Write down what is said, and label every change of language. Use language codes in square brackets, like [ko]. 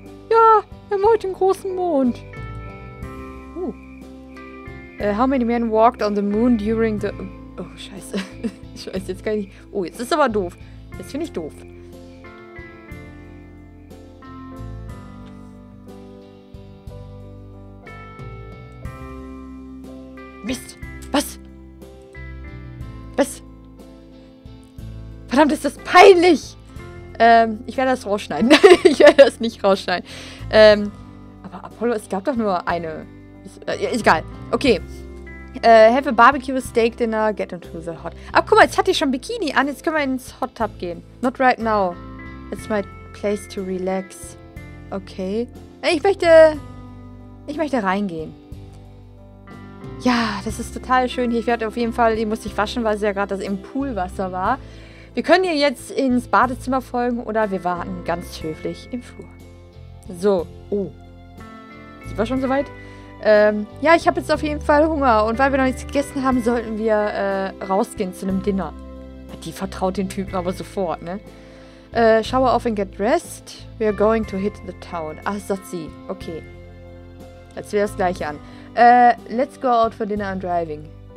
[de] Ja, wir haben heute einen großen Mond. [en] How many men walked on the moon during the... [de] Oh, scheiße. Ich weiß jetzt gar nicht... Oh, jetzt ist aber doof. Jetzt finde ich doof. Mist! Was? Was? Verdammt, ist das peinlich! Ich werde das rausschneiden. Ich werde das nicht rausschneiden. Aber Apollo, es gab doch nur eine... egal. Okay. [en] Have a barbecue steak dinner, get into the hot. [de] Ach, guck mal, jetzt hatte ich schon Bikini an, jetzt können wir ins Hot Tub gehen. [en] Not right now. It's my place to relax. Okay. [de] Ich möchte reingehen. Ja, das ist total schön hier. Ich werde auf jeden Fall, ich muss mich waschen, weil es ja gerade das im Poolwasser war. Wir können ihr jetzt ins Badezimmer folgen oder wir warten ganz höflich im Flur. So, oh. Sind wir schon soweit? Ja, ich habe jetzt auf jeden Fall Hunger. Und weil wir noch nichts gegessen haben, sollten wir rausgehen zu einem Dinner. Die vertraut den Typen aber sofort, ne? [en] Shower off and get dressed. We are going to hit the town. Ah, Sotzi. Okay. [de] Jetzt wäre es gleich an. [en] Let's go out for dinner and driving.